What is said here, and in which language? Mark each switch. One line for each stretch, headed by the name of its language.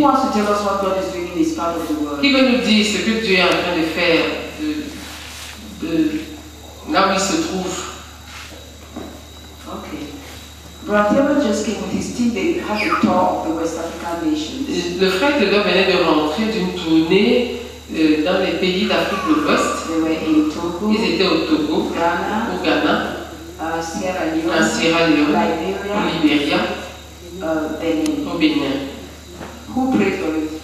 English: Who wants to tell us what God is doing in this part of the world?
French: Qui veut nous dire ce que Dieu est en train de faire de là où il se trouve?
English: Okay. Brother just came with his team. They had a tour of the West African nations.
French: Le frère de l'homme venait de rentrer d'une tournée dans les pays d'Afrique de l'Ouest.
English: They were in Togo.
French: Ils étaient au Togo,
English: Ghana,
French: au Ghana,
English: Sierra Leone, Liberia, Liberia. Benin. Who prayed for it?